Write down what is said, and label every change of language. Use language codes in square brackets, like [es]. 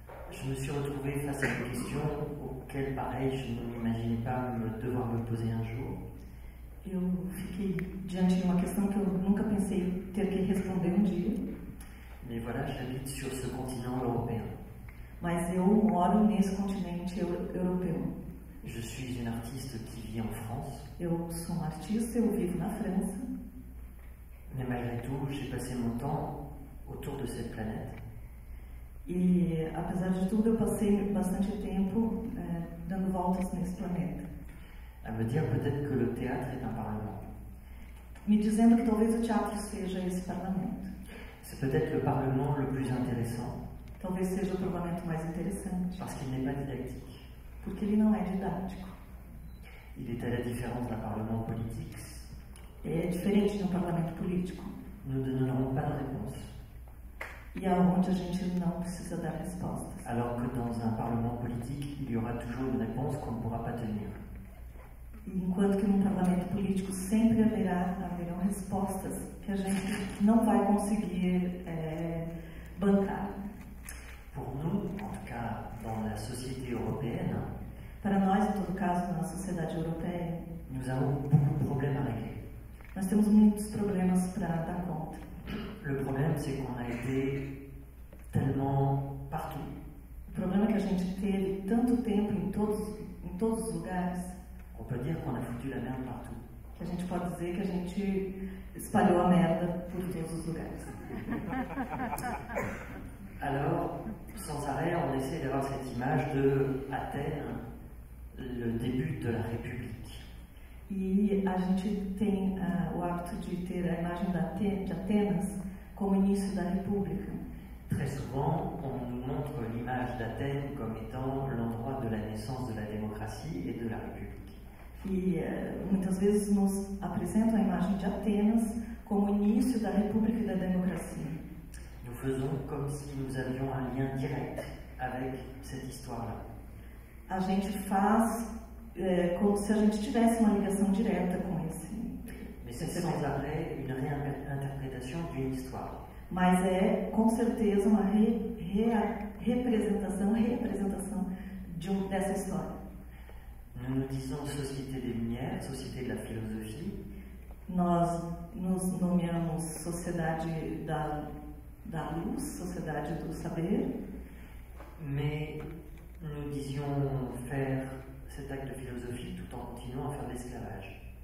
[fr] je me suis retrouvé face à une question auquel, pareil, je ne m'imaginais pas devoir me poser un jour. [pt] Eu fiquei diante de uma questão que eu nunca pensei ter que responder um dia. [fr] Mais voilà, j'habite sur ce continent européen. [pt] Mas eu moro nesse continente europeu. [fr] Je suis une artiste qui vit en France. [pt] Eu sou uma artista e eu vivo na França. [fr] Mais malgré tout, j'ai passé mon temps autour de cette planète. [pt] E apesar de tudo, eu passei bastante tempo dando voltas nesse planeta. [fr] À me dire peut-être que le théâtre est un parlement. [pt] Me dizendo que talvez o teatro seja esse parlamento. [fr] C'est peut-être le parlement le plus intéressant. [pt] Talvez seja o parlamento mais interessante. [fr] Parce qu'il n'est pas didactique. [pt] Porque ele não é didático. [fr] Il est à la différence d'un parlement politique. [pt] É diferente de um parlamento político. [fr] Nous ne donnerons pas de réponse. [pt] E aonde a gente não precisa dar respostas. [fr] Alors que dans un parlement politique, il y aura toujours une réponse qu'on ne pourra pas tenir. [pt] Enquanto que num parlamento político sempre haverão respostas que a gente não vai conseguir bancar. [fr] Pour nous, en tout cas, dans la société européenne, [pt] para nós, em todo caso, na sociedade europeia, [fr] nous avons beaucoup de problèmes à régler. [pt] Nós temos muitos problemas para dar conta. [fr] Le problème, c'est qu'on a été tellement partout. [pt] O problema é que a gente teve tanto tempo em todos os lugares. [fr] On peut dire qu'on a foutu la merde partout. [pt] Que a gente pode dizer que a gente espalhou a merda por todos os lugares. [fr] Alors, sans arrêt, on est intéressé d'avoir cette image de à terre le début de la République. [pt] E a gente tem o hábito de ter a imagem de Atenas como início da República. [fr] Très souvent, on nous montre l'image d'Athènes comme étant l'endroit de la naissance de la démocratie et de la République. [pt] Muitas vezes nos apresentam a imagem de Atenas como início da República e da democracia. [fr] Nous faisons comme si nous avions un lien direct avec cette histoire-là. [pt] A gente faz como se a gente tivesse uma ligação direta com esse. [fr] Mais c'est sans arrêt une réinterprétation d'une histoire. [pt] Mas é com certeza uma representação de dessa história. [fr] Nous nous disons Société des Lumières, Société de la Philosophie. [pt] Nós nos nomeamos Sociedade da Luz, Sociedade do Saber. [fr] Mais nous disions faire cet acte de philosophie tout en continuant à faire l'esclavage.